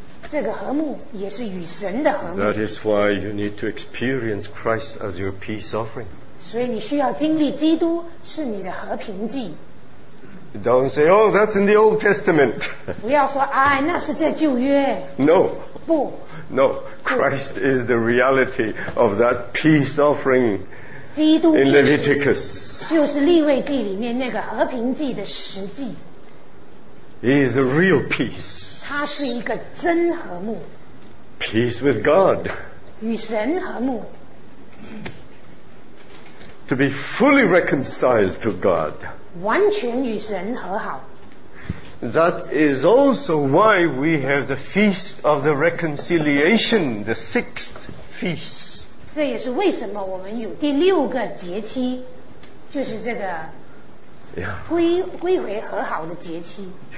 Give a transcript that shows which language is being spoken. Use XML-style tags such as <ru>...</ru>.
<zh>这个和睦也是与神的和睦。</zh> <en>That is why you need to experience Christ as your peace offering.</en> <zh>所以你需要经历基督是你的和平祭。</zh> <en>Don't say, oh, that's in the Old Testament.</en> <zh>不要说，哎，那是在旧约。</zh> <en>No.</en> <zh>不。</zh> <en>No. Christ is the reality of that peace offering.</en> <zh>基督。</zh> <en>In Leviticus.</en> <zh>就是利未记里面那个和平祭的实际。</zh> <en>is a real peace.</en> <zh>他是一个真和睦。</zh> <en>Peace with God.</en> <zh>与神和睦。</zh> <en>To be fully reconciled to God.</en> <zh>完全与神和好。</zh> <en>That is also why we have the Feast of the Reconciliation, the sixth feast.</en> <zh>这也是为什么我们有第六个节期，就是这个归回和好的节期。</zh>